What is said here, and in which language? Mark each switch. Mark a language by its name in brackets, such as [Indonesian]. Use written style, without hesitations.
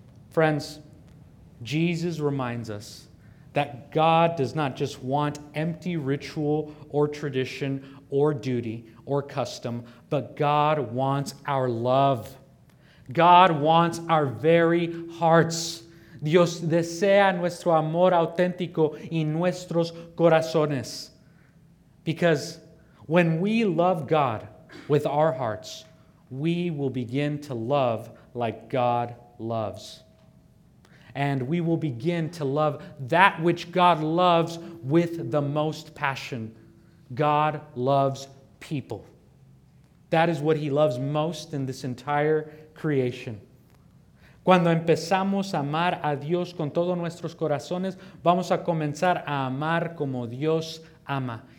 [English] Friends, Jesus reminds us that God does not just want empty ritual or tradition or duty or custom, but God wants our love. God wants our very hearts. [Spanish] Dios desea nuestro amor auténtico y nuestros corazones. [English] Because when we love God with our hearts, we will begin to love like God loves. And we will begin to love that which God loves with the most passion. God loves people. That is what He loves most in this entire creation. [Spanish] Cuando empezamos a amar a Dios con todos nuestros corazones, vamos a comenzar a amar como Dios ama.